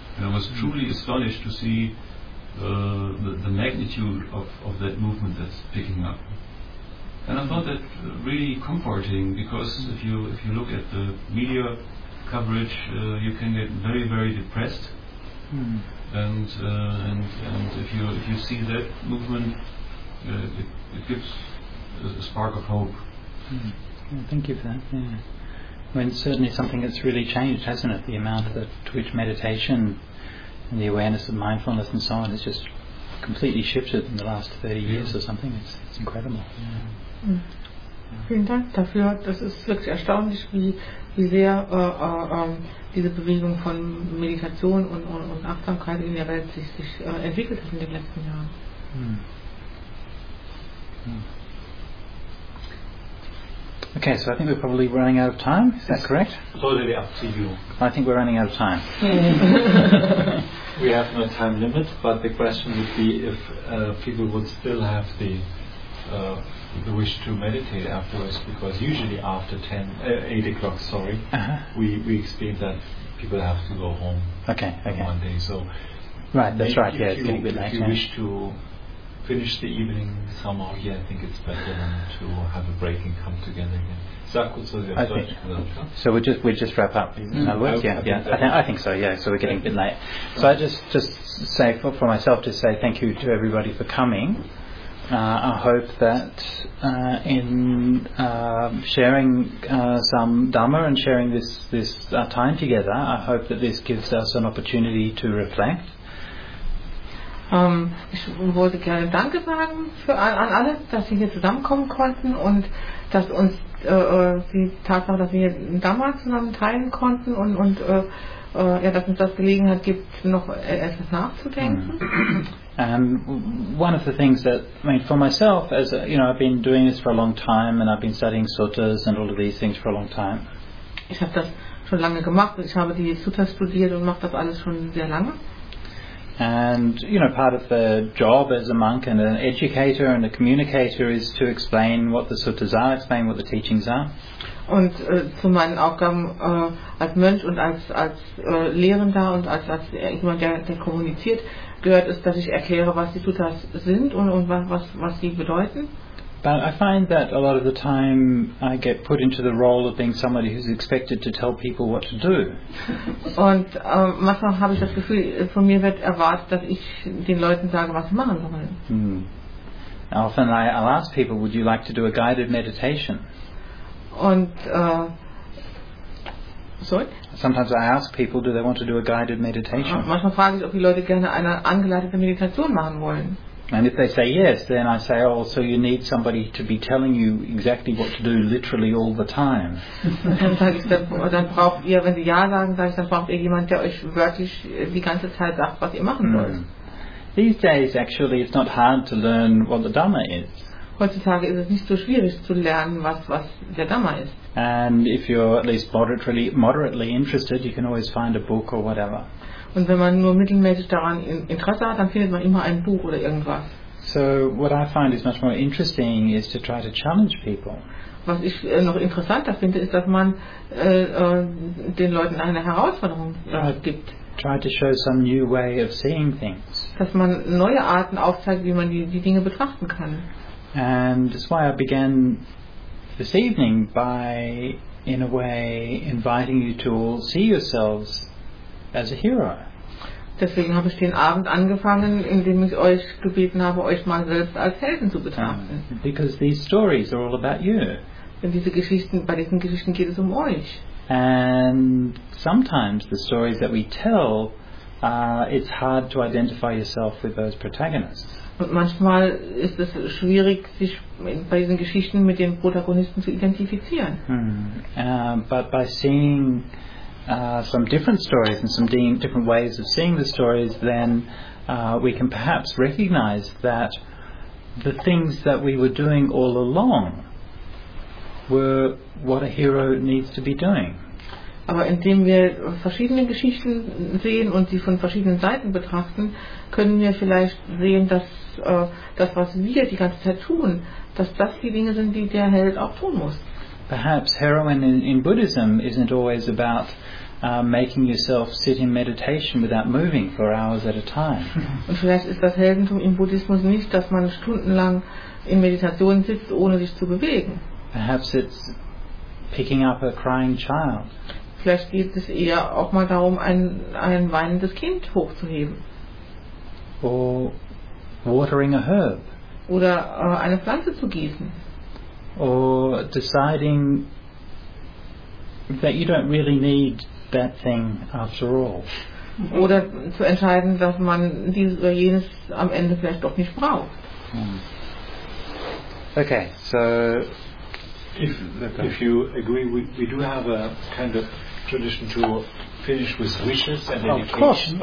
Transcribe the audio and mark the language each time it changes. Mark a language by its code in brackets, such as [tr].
[en] And I was truly astonished to see the magnitude of that movement that's picking up, and I thought that really comforting, because if you look at the media coverage, you can get very very depressed, and if you see that movement, it gives a spark of hope. Mm. Well, thank you for that. Yeah. I mean, certainly something that's really changed, hasn't it? The amount that which meditation and the awareness of mindfulness and so on has just completely shifted in the last 30 years or something. It's incredible. [de] Yeah. Vielen Dank dafür. Das ist wirklich erstaunlich, wie sehr diese Bewegung von Meditation und Achtsamkeit in der Welt sich entwickelt hat in den letzten Jahren. [en] Okay, so I think we're probably running out of time. Is that correct? Totally up to you. I think we're running out of time. We have no time limit, but the question would be if people would still have the wish to meditate afterwards, because usually after 8 o'clock, we experience that people have to go home. Okay. One day. So. Right. That's right. Yeah. If you wish to finish the evening somehow, yeah, I think it's better than to have a break and come together again. So we'll just wrap up. I think so. So we're getting a bit late. So I just say for myself, just say thank you to everybody for coming. I hope that sharing some Dhamma and sharing this time together, I hope that this gives us an opportunity to reflect. [de] Ich wollte gerne Danke sagen an alle, dass wir hier zusammenkommen konnten und dass uns die Tatsache, dass wir damals zusammen teilen konnten und dass uns das Gelegenheit gibt, noch etwas nachzudenken. [en] And one of the things that, I mean, for myself, as a, you know, I've been doing this for a long time and I've been studying suttas and all of these things for a long time. [de] Ich habe das schon lange gemacht. Ich habe die Suttas studiert und mache das alles schon sehr lange. [en] And, you know, part of the job as a monk and an educator and a communicator is to explain what the suttas are, explain what the teachings are. [de] Und zu meinen Aufgaben als Mönch und als Lehrender und als jemand, der kommuniziert, gehört es, dass ich erkläre, was die Suttas sind und was sie bedeuten. [en] But I find that a lot of the time I get put into the role of being somebody who's expected to tell people what to do. [de] Und manchmal habe ich das Gefühl, von mir wird erwartet, dass ich den Leuten sage, was sie machen sollen. [en] Often I'll ask people, would you like to do a guided meditation? Sometimes I ask people, do they want to do a guided meditation? [de] Manchmal frage ich, ob die Leute gerne eine angeleitete Meditation machen wollen. [en] And if they say yes, then I say, oh, so you need somebody to be telling you exactly what to do literally all the time. [de] Dann braucht ihr, wenn sie ja sagen, sage ich, dann braucht ihr jemand, der euch wirklich die ganze Zeit sagt, was ihr machen sollt. [en] These days, actually, it's not hard to learn what the Dhamma is. [de] heutzutage ist es nicht so schwierig zu lernen, was der Dhamma ist. [en] And if you're at least moderately interested, you can always find a book or whatever. [de] Und wenn man nur mittelmäßig daran Interesse hat, dann findet man immer ein Buch oder irgendwas. [en] So what I find is much more interesting is to try to challenge people. [de] Was ich noch interessanter finde, ist, dass man den Leuten eine Herausforderung gibt. [en] Try to show some new way of seeing things. [de] Dass man neue Arten aufzeigt, wie man die Dinge betrachten kann. [en] And that's why I began this evening by, in a way, inviting you to all see yourselves as a hero. [de] Deswegen habe ich den Abend angefangen, indem ich euch gebeten habe, euch mal selbst als Helden zu betrachten. [en] Because these stories are all about you. [de] Denn bei diesen Geschichten geht es um euch. [en] And sometimes the stories that we tell, it's hard to identify yourself with those protagonists. [de] Und manchmal ist es schwierig, sich bei diesen Geschichten mit den Protagonisten zu identifizieren. [en] But by seeing some different stories and some different ways of seeing the stories, then we can perhaps recognize that the things that we were doing all along were what a hero needs to be doing. [de] Aber indem wir verschiedene Geschichten sehen und sie von verschiedenen Seiten betrachten, können wir vielleicht sehen, dass das, was wir die ganze Zeit tun, dass das die Dinge sind, die der Held auch tun muss. [en] Perhaps heroine in Buddhism isn't always about making yourself sit in meditation without moving for hours at a time. [de] Und vielleicht ist das Heldentum im Buddhismus nicht, dass man stundenlang in Meditation sitzt, ohne sich zu bewegen. [en] Perhaps it's picking up a crying child. [de] Vielleicht geht es eher auch mal darum, ein weinendes Kind hochzuheben. [en] Or watering a herb. [de] Oder eine Pflanze zu gießen. [en] Or deciding that you don't really need that thing after all. [de] Oder zu entscheiden, dass man dieses oder jenes am Ende vielleicht doch nicht braucht. [en] Okay, so if you agree, we do have a kind of tradition to finish with wishes and education.